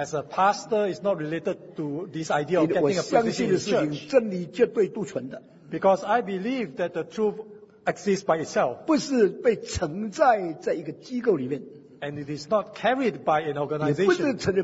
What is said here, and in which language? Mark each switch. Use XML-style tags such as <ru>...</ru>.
<en>As a pastor, it's not related to this idea of getting a position in the church.</en> <zh>我相信的事情真理绝对独存的。</zh> <en>Because I believe that the truth exists by itself.</en> <zh>不是被承载在一个机构里面。</zh> <en>And it is not carried by an organization.</en>